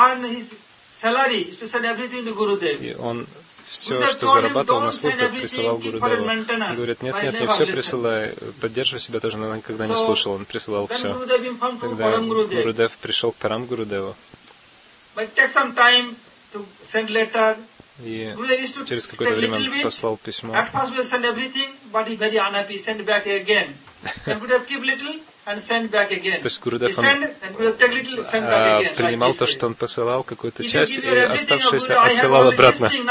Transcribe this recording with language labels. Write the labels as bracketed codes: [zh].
[ru] И он все, что зарабатывал на службе, присылал Гурудеву. Он говорит, нет, не все присылай, поддерживай себя тоже, но он никогда не слушал, он присылал все. Тогда Гурудев пришел к Парам Гурудеву. [en] But take some time to send letter. [ru] Через какое-то время он послал письмо. [en] At first we send everything, but he very unhappy. Send back again. And Gurudev keep little and send back again. [ru] То есть Гурудев принимал то, что он посылал, какую-то часть, и оставшееся отсылал обратно.